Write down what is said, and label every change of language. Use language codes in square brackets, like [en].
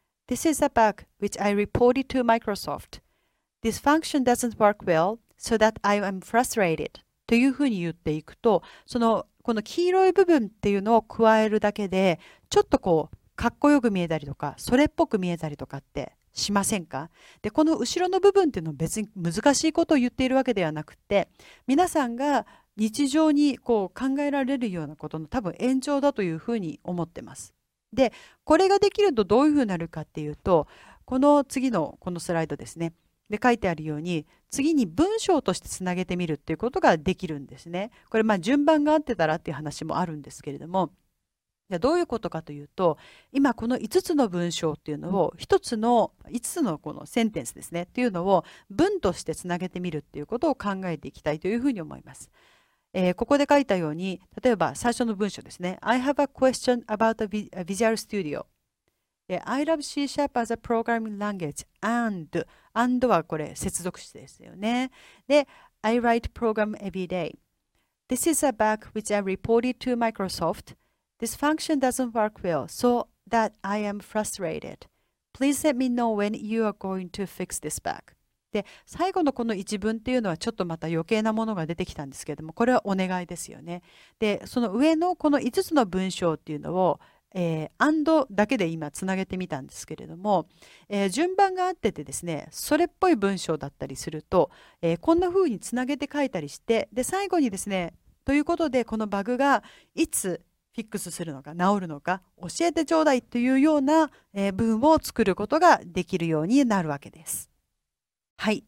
[en] This is a bug which I reported to Microsoft. This function doesn't work well, so that I am frustrated. [ja] というふうに言っていくと、この黄色い部分っていうのを加えるだけで、ちょっとこう、かっこよく見えたりとか、それっぽく見えたりとかってしませんか？で、この後ろの部分っていうのは別に難しいことを言っているわけではなくて、皆さんが日常にこう考えられるようなことの多分延長だというふうに思ってます。で、これができるとどういうふうになるかっていうと、この次のこのスライドですね。で、書いてあるように、次に文章としてつなげてみるっていうことができるんですね。これ、まあ順番が合ってたらっていう話もあるんですけれども、じゃどういうことかというと、今この5つの文章っていうのを、1つの5つのこのセンテンスですねっていうのを文としてつなげてみるっていうことを考えていきたいというふうに思います。ここで書いたように、例えば最初の文章ですね。 [en] I have a question about a Visual Studio. I love C sharp as a programming language. And [ja] はこれ接続詞ですよね。 [en] で、I write program every day. This is a bug which I reported to Microsoft. This function doesn't work well, so that I am frustrated. Please let me know when you are going to fix this bug. [ja] で、最後のこの一文っていうのはちょっとまた余計なものが出てきたんですけれども、これはお願いですよね。で、その上のこの5つの文章っていうのを、&だけで今つなげてみたんですけれども、順番が合っててですね、それっぽい文章だったりすると、こんな風につなげて書いたりして、で、最後にですね、ということで、このバグがいつフィックスするのか、治るのか、教えてちょうだいというような文を作ることができるようになるわけです。はい。